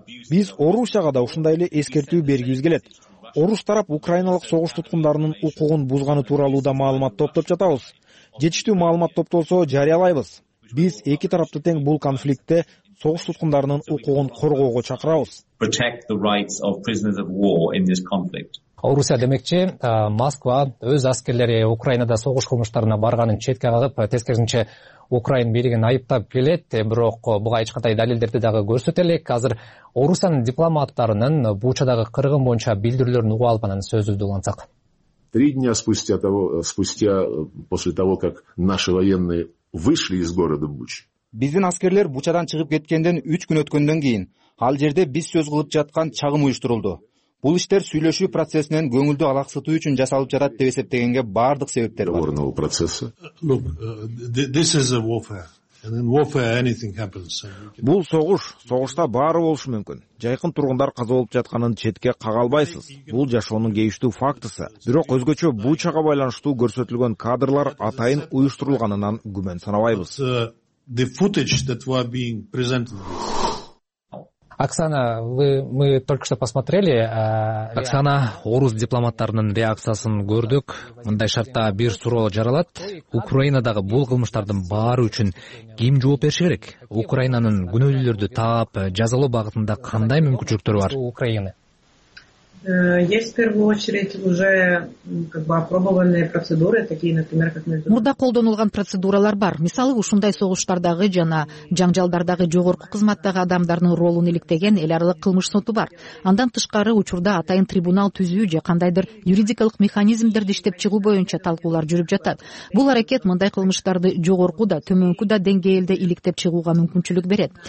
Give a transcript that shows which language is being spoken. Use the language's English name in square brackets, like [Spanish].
[Kyrgyz] Биз Орусияга да ушундай эле эскертүү бергибиз келет. Орус тарап украиналык согуш туткундарынын укугун бузганы тууралуу да маалымат топтоп жатабыз. Жетиштүү маалымат топтолсо жарыялайбыз. Биз эки тарапты тең бул конфликтте согуш туткундарынын укугун коргоого чакырабыз. [English] Protect the rights of prisoners of war in this conflict. [Kyrgyz] Орусия демекчи, Москва өз аскерлери Украинада согуш кылмыштарына барганын четке кагып, тескерисинче Украин бийлигин айыптап келет, бирок буга эч кандай далилдерди дагы көрсөтө элек. Азыр Орусиянын дипломаттарынын Бучадагы кыргын боюнча билдирүүлөрүн угуп алып анан сөзүбүздү улантсак. Биздин аскерлер Бучадан чыгып кеткенден 3 күн өткөндөн кийин ал жерде биз сөз кылып жаткан чагым уюштурулду. Бул иштер сүйлөшүү процессинен көңүлдү алаксытуу үчүн жасалып жатат деп эсептегенге бардык себептер бар. Бул согуш, согушта баары болушу мүмкүн. Жайкын тургундар каза болуп жатканын четке кага албайсыз. Бул жашоонун кейиштүү фактысы. Бирок өзгөчө Бучага байланыштуу көрсөтүлгөн кадрлар атайын уюштурулганынан күмөн санабайбыз. [Russian] Оксана, мы только что посмотрели. [Kyrgyz] Оксана, орус дипломаттарынын реакциясын көрдүк. Мындай шартта бир суроо жаралат. Украинадагы бул кылмыштардын баары үчүн ким жооп бериши керек? Украинанын күнөөлүүлөрдү таап, жазалоо багытында кандай мүмкүнчүлүктөр бар? [Russian] Есть в первую очередь уже опробованные процедуры, такие, например, как международные. [Kyrgyz] Мурда колдонулган процедуралар бар. Мисалы, ушундай согуштардагы жана жаңжалдардагы жогорку кызматтагы адамдардын ролун иликтеген эл аралык кылмыш соту бар. Андан тышкары учурда атайын трибунал түзүү же кандайдыр юридикалык механизмдерди иштеп чыгуу боюнча талкуулар жүрүп жатат. Бул аракет мындай кылмыштарды жогорку да төмөнкү да деңгээлде иликтеп чыгууга мүмкүнчүлүк берет.